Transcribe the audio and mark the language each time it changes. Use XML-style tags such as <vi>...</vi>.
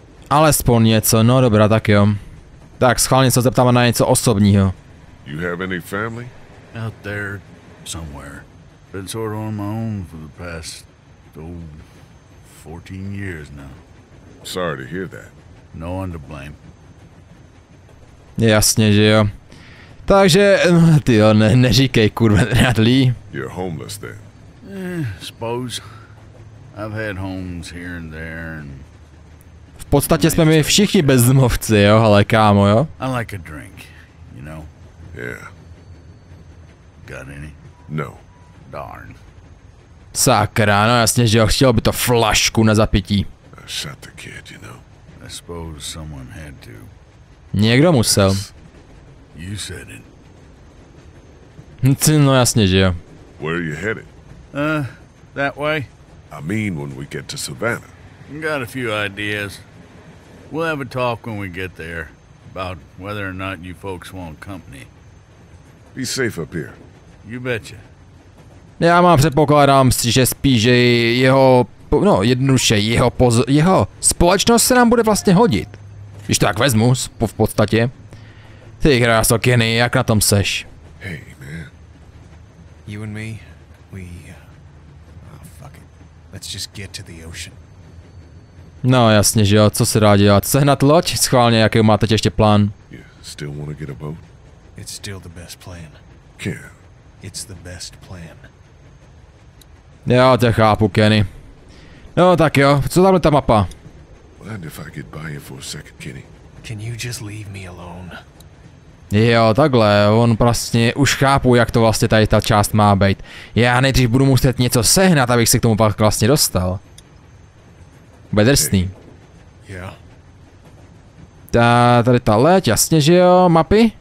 <cs>Alespoň něco, no dobrá, tak jo. Tak, schválně se zeptáme na něco osobního.</cs> <en>You have any family? Out there, somewhere. Been sort of on my own for the past, 14 years now. Sorry to hear that. No one to blame.</en> <cs>Jasně, že jo. Takže, tyjo, neříkej, kurva, Radley.</cs> <en>You're homeless then. Suppose. I've had homes here and there and...</en> <cs>V podstatě jsme my všichni bezdomovci, jo, ale kámo, jo?</cs> <en>I like a drink, you know? Yeah. Got any? No. Darn.</en> <cs>Sakra, no jasně, že jo, chtělo by to flašku na zapití.</cs> <en>I shot the kid, you know? I suppose someone had to.</en> <cs>Někdo musel.</cs> <en>You said it.</en> <cs>No jasně, že jo.</cs> <en>Where are you headed? That way. I mean when we get to Savannah. Got a few ideas. We'll have a talk when we get there about whether or not you folks want company. Be safe up here. You betcha.</en> <cs>Já mám předpokládám, že spíš jeho, no jednoduše, jeho společnost se nám bude vlastně hodit. Když to tak vezmu, v podstatě. Ty hráso, Kenny, jak na tom seš?</cs> <en>Hey, man. You and me, we... Oh, fuck it. Let's just get to the ocean.</en> <cs>No jasně, že jo, co se dá dělat? Sehnat loď? Schválně, jaký máte ještě plán?</cs> <en>You still wanna get a boat? It's still the best plan. Ken. It's the best plan.</en> <cs>Jo, to chápu, Kenny. No tak jo, co tam je ta mapa?</cs> <en>Mind if I get by you for a second, Kenny? Can you just leave me alone?</en> <cs>Jo, takhle, on vlastně už chápu, jak to vlastně tady ta část má být. Já nejdřív budu muset něco sehnat, abych se k tomu pak vlastně dostal. Bude drsný.</cs> <en>Hey. Yeah.</en> <cs>Tady ta leď, jasně, že jo, mapy?</cs>